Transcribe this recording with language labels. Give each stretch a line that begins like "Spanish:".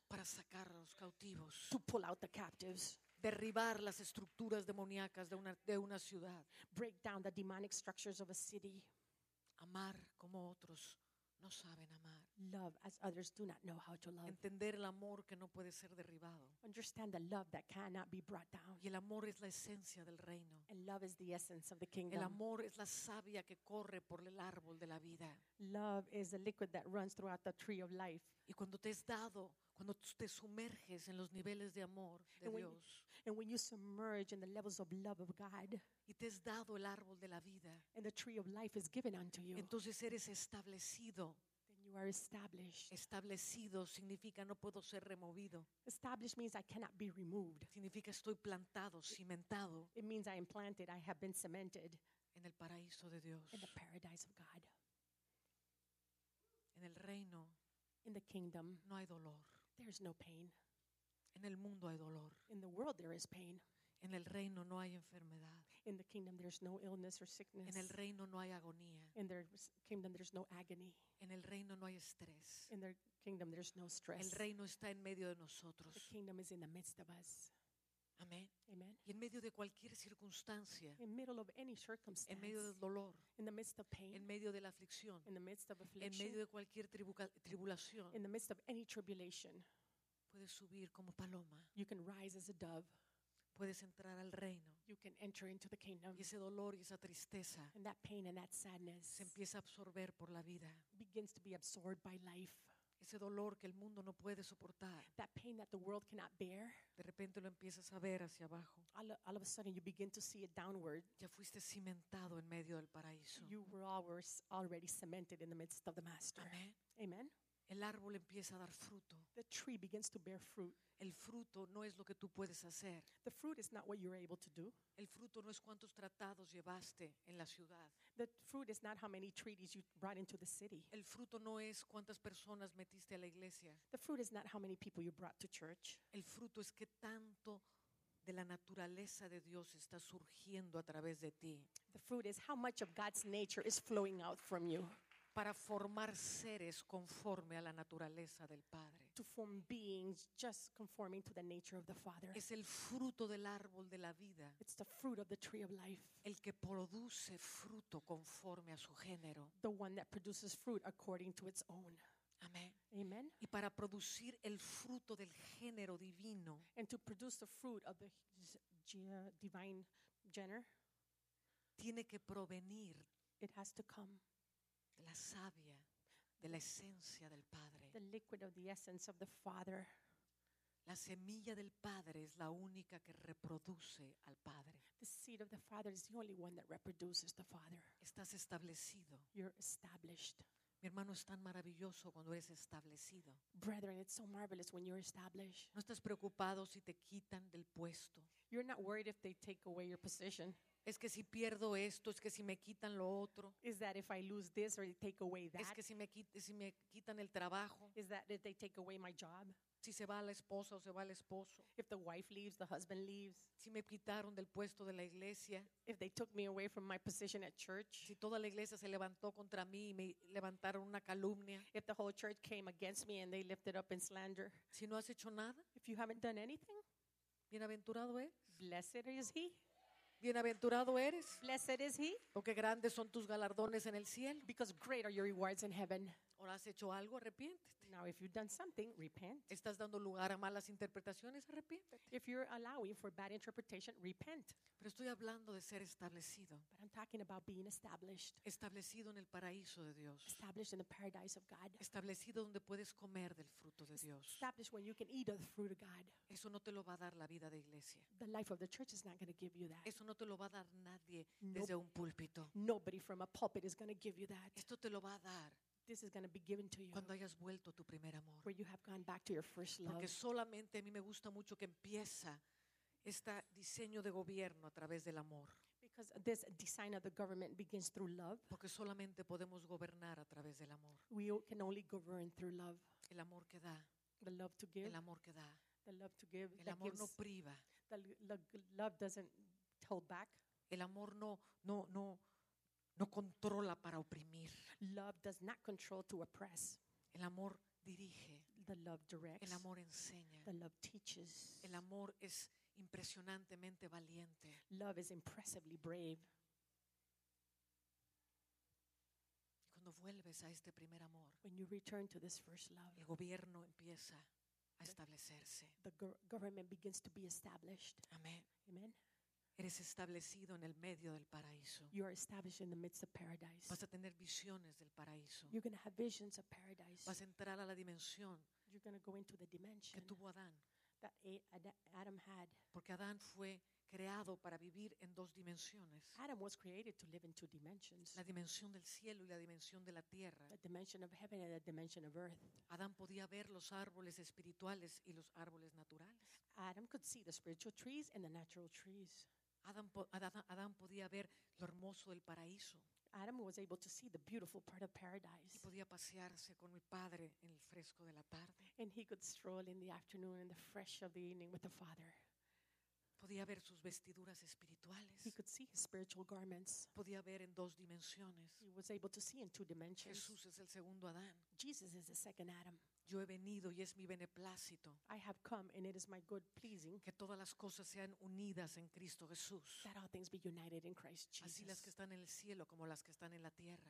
Spanish: Para sacar a los cautivos.
English: To pull out the captives.
Spanish: Derribar las estructuras demoníacas de una ciudad.
English: Break down the demonic structures of a city.
Spanish: Amar como otros no saben amar.
English: Love as others do not know how to love.
Spanish: Entender el amor que no puede ser derribado.
English: Understand the love that cannot be brought down.
Spanish: Y el amor es la esencia del reino.
English: And love is the essence of the kingdom.
Spanish: El amor es la savia que corre por el árbol de la vida.
English: Love is the liquid that runs throughout the tree of life.
Spanish: Y cuando te es dado, cuando te sumerges en los niveles de amor de Dios.
English: And when you submerge in the levels of love of God.
Spanish: Y te es dado el árbol de la vida.
English: And the tree of life is given unto you.
Spanish: Entonces eres establecido.
English: Then you are established.
Spanish: Establecido significa no puedo ser removido.
English: Established means I cannot be removed.
Spanish: Significa estoy plantado, cimentado.
English: It means I am planted, I have been cemented.
Spanish: En el paraíso de Dios.
English: In the paradise of God.
Spanish: En el reino.
English: In the kingdom.
Spanish: No hay dolor.
English: There is no pain.
Spanish: En el mundo hay dolor.
English: In the world there is pain.
Spanish: En el reino no hay enfermedad.
English: In the kingdom there's no illness or sickness.
Spanish: En el reino no hay agonía.
English: In the kingdom there's no agony.
Spanish: En el reino no hay estrés.
English: In the kingdom there's no stress.
Spanish: El reino está en medio de nosotros.
English: The kingdom is in the midst of us.
Spanish: Amén.
English: Amen.
Spanish: Y en medio de cualquier circunstancia.
English: In the middle of any circumstance.
Spanish: En medio del dolor.
English: In the midst of pain.
Spanish: En medio de la aflicción.
English: In the midst of affliction.
Spanish: En medio de cualquier tribulación.
English: In the midst of any tribulation.
Spanish: Puedes subir como paloma.
English: You can rise as a dove.
Spanish: Puedes entrar al reino.
English: You can enter into the kingdom.
Spanish: Y ese dolor y esa tristeza.
English: And that pain and that sadness.
Spanish: Se empieza a absorber por la vida.
English: Begins to be absorbed by life.
Spanish: Ese dolor que el mundo no puede soportar.
English: That pain that the world cannot bear.
Spanish: De repente lo empiezas a ver hacia abajo.
English: All of a sudden you begin to see it downward.
Spanish: Ya fuiste cimentado en medio del paraíso.
English: You were always already cemented in the midst of the master.
Spanish: Amén.
English: Amen.
Spanish: El árbol empieza a dar fruto.
English: The tree begins to bear fruit.
Spanish: El fruto no es lo que tú puedes hacer.
English: The fruit is not what you're able to do.
Spanish: El fruto no es cuántos tratados llevaste en la ciudad.
English: The fruit is not how many treaties you brought into the city.
Spanish: El fruto no es cuántas personas metiste a la iglesia.
English: The fruit is not how many people you brought to church.
Spanish: El fruto es qué tanto de la naturaleza de Dios está surgiendo a través de ti.
English: The fruit is how much of God's nature is flowing out from you.
Spanish: Para formar seres conforme a la naturaleza del Padre.
English: To form beings just conforming to the nature of the Father.
Spanish: Es el fruto del árbol de la vida.
English: It's the fruit of the tree of life.
Spanish: El que produce fruto conforme a su género.
English: The one that produces fruit according to its own.
Spanish: Amén.
English: Amen.
Spanish: Y para producir el fruto del género divino.
English: And to produce the fruit of the divine gender.
Spanish: Tiene que provenir.
English: It has to come.
Spanish: De la savia, de la esencia del Padre.
English: The liquid of the essence of the Father.
Spanish: La semilla del Padre es la única que reproduce al Padre.
English: The seed of the Father is the only one that reproduces the Father.
Spanish: Estás establecido.
English: You're established.
Spanish: Mi hermano, es tan maravilloso cuando eres establecido.
English: Brethren, it's so marvelous when you're established.
Spanish: No estás preocupado si te quitan del puesto.
English: You're not worried if they take away your position.
Spanish: Es que si pierdo esto, es que si me quitan lo otro.
English: Is that if I lose this or take away that?
Spanish: Es que si me quitan el trabajo.
English: Is that if they take away my job?
Spanish: Si se va la esposa o se va el esposo.
English: If the wife leaves, the husband leaves.
Spanish: Si me quitaron del puesto de la iglesia.
English: If they took me away from my position at church.
Spanish: Si toda la iglesia se levantó contra mí y me levantaron una calumnia.
English: If the whole church came against me and they lifted up in slander.
Spanish: Si no has hecho nada.
English: If you haven't done anything.
Spanish: Bienaventurado es.
English: Blessed is he.
Spanish: Bienaventurado eres.
English: Blessed is he.
Spanish: Porque grandes son tus galardones en el cielo.
English: Because great are your rewards in heaven.
Spanish: Ahora has hecho algo, arrepiéntete.
English: Now if you've done something, repent.
Spanish: Estás dando lugar a malas interpretaciones, arrepiéntete.
English: If you're allowing for bad interpretation, repent.
Spanish: Pero estoy hablando de ser establecido.
English: But I'm talking about being established.
Spanish: Establecido en el paraíso de Dios.
English: Established in the paradise of God.
Spanish: Establecido donde puedes comer del fruto de Dios.
English: Established when you can eat of the fruit of God.
Spanish: Eso no te lo va a dar la vida de iglesia.
English: The life of the church is not going to give you that.
Spanish: Eso no te lo va a dar nadie desde un púlpito.
English: Nobody from a pulpit is going to give you that.
Spanish: Esto te lo va a dar.
English: This is going to be given to you.
Spanish: Cuando hayas vuelto a tu primer amor.
English: Where you have gone back to your first love.
Spanish: Porque solamente a mí me gusta mucho que empieza este diseño de gobierno a través del amor.
English: Because this design of the government begins through love.
Spanish: Porque solamente podemos gobernar a través del amor.
English: We can only govern through love.
Spanish: El amor que da.
English: The love to give.
Spanish: El amor que da.
English: The love to give.
Spanish: El amor no priva.
English: The love doesn't hold back.
Spanish: El amor no controla para oprimir.
English: Love does not control to oppress.
Spanish: El amor dirige.
English: The love directs.
Spanish: El amor enseña.
English: The love teaches.
Spanish: El amor es impresionantemente valiente.
English: Love is impressively brave.
Spanish: Y cuando vuelves a este primer amor,
English: when you return to this first love,
Spanish: el gobierno empieza a establecerse.
English: The government begins to be established.
Spanish: Amén.
English: Amen.
Spanish: Eres establecido en el medio del paraíso.
English: You are established in the midst of paradise.
Spanish: Vas a tener visiones del paraíso.
English: You're going to have visions of paradise.
Spanish: Vas a entrar a la dimensión.
English: You're going to go into the dimension.
Spanish: Que tuvo Adán.
English: That Adam had.
Spanish: Porque Adán fue creado para vivir en dos dimensiones.
English: Adam was created to live in two dimensions.
Spanish: La dimensión del cielo y la dimensión de la tierra.
English: The dimension of heaven and the dimension of earth.
Spanish: Adán podía ver los árboles espirituales y los árboles naturales.
English: Adam could see the spiritual trees and the natural trees.
Spanish: Adán podía ver lo hermoso del paraíso.
English: Adam was able to see the beautiful part of paradise.
Spanish: Y podía pasearse con mi padre en el fresco de la tarde.
English: And he could stroll in the afternoon in the fresh of the evening with the father.
Spanish: Podía ver sus vestiduras espirituales.
English: He could see his spiritual garments.
Spanish: Podía ver en dos dimensiones.
English: He was able to see in two dimensions.
Spanish: Jesús es el segundo Adán.
English: Jesus is the second Adam.
Spanish: Yo he venido y es mi beneplácito.
English: I have come and it is my good pleasing.
Spanish: Que todas las cosas sean unidas en Cristo Jesús.
English: That all things be united in Christ Jesus.
Spanish: Así las que están en el cielo como las que están en la tierra.